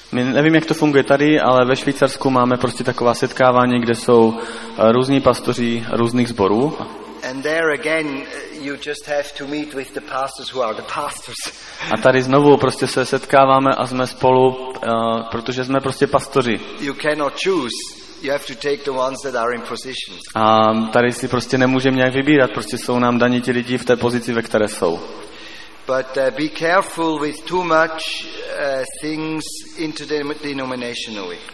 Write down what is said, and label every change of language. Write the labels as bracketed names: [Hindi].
[Czech] My nevím, jak to funguje tady, ale ve Švýcarsku máme prostě taková setkávání, kde jsou různí pastoři různých sborů. [English] And there again, you just have to meet with the pastors who are the pastors. [Czech] A tady znovu prostě se setkáváme a jsme spolu, protože jsme prostě pastoři. [English] You cannot choose. You have to take the ones that are in positions. [Czech] A tady si prostě nemůžeme nějak vybírat, prostě jsou nám daní ti lidi v té pozici, ve které jsou. [English] But be careful with too much things interdenominationally.